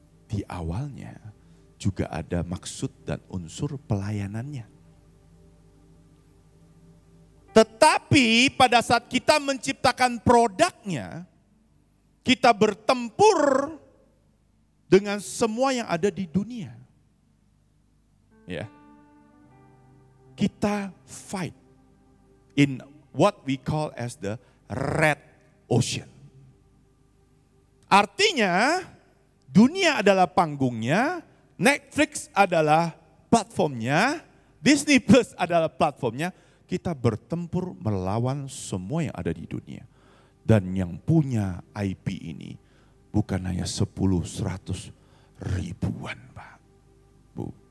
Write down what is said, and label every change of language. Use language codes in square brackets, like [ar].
[id] Di awalnya juga ada maksud dan unsur pelayanannya. Tetapi pada saat kita menciptakan produknya, kita bertempur dengan semua yang ada di dunia. Ya. Kita [en] fight in what we call as the red ocean. [id] Artinya dunia adalah panggungnya, Netflix adalah platformnya, Disney Plus adalah platformnya. Kita bertempur melawan semua yang ada di dunia. Dan yang punya IP ini bukan hanya 10, 100 ribuan, Pak. Bu.